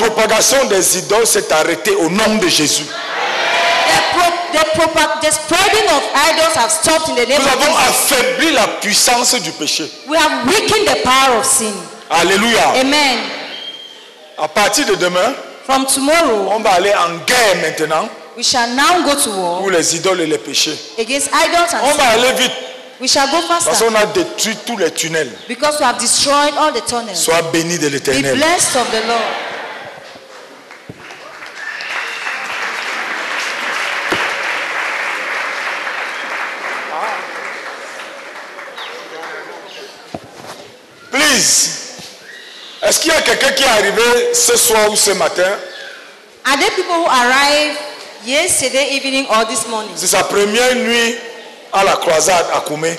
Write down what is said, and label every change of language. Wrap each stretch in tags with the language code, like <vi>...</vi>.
<fr>Propagation des idoles s'est arrêtée au nom de Jésus.</fr> <en>The spreading of idols have stopped in the name</en> <fr>nous</fr> <en>of</en> <fr>avons</fr> <en>Jesus.</en> <fr>Affaibli la puissance du péché.</fr> <en>We have weakened the power of sin.</en> <fr>Alléluia.</fr> <en>Amen.</en> <fr>À partir de demain,</fr> <en>from tomorrow,</en> <fr>on va aller en guerre maintenant.</fr> <en>We shall now go to war.</en> <fr>Pour les idoles et les péchés.</fr> <en>Against idols and</en> <fr>on va aller vite.</fr> <en>We shall go faster.</en> <fr>Parce qu'on a détruit tous les tunnels.</fr> <en>Because we have destroyed all the tunnels.</en> <fr>Sois béni de l'Éternel.</fr> <en>Be blessed of the Lord. Please.</en> <fr>Est-ce qu'il y a quelqu'un qui est arrivé ce soir ou ce matin?</fr> <en>Are there people who arrived yesterday evening or this morning?</en> <fr>C'est sa première nuit à la croisade à Koumé.</fr>